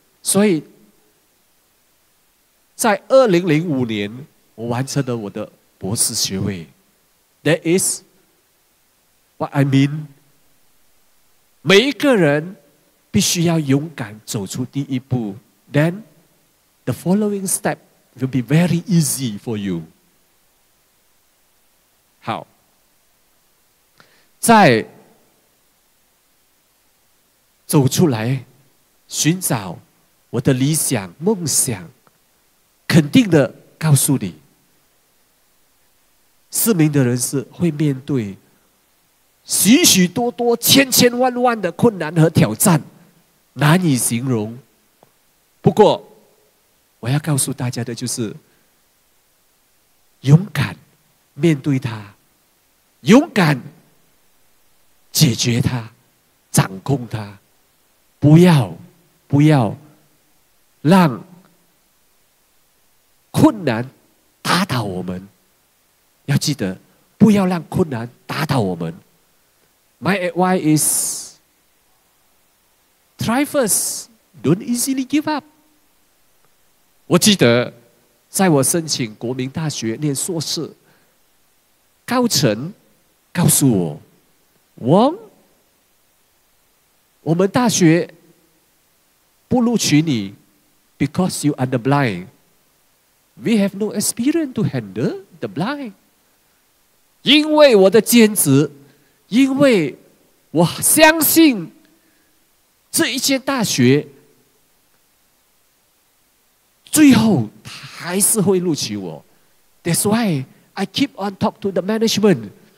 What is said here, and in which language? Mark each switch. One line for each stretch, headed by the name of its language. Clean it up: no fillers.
Chinese: 所以在2005年我完成了我的博士学位。
English: That is what I mean.
Chinese: 每一个人必须要勇敢走出第一步。
English: Then, the following step will be very easy for you.
Chinese: 好。在走出来寻找我的理想梦想，肯定的告诉你，失明的人士会面对许许多多千千万万的困难和挑战，难以形容。不过我要告诉大家的就是，勇敢面对它，勇敢解决它，掌控它，不要让困难打倒我们。要记得，不要让困难打倒我们。
English: My advice is, try first, don't easily give up.
Chinese: 我记得，在我申请国民大学念硕士，高层告诉我，王，我们大学不录取你
English: because you are the blind. We have no experience to handle the blind.
Chinese: 因为我的兼职，因为我相信这一间大学最后他还是会录取我。
English: That's why I keep on talk to the management.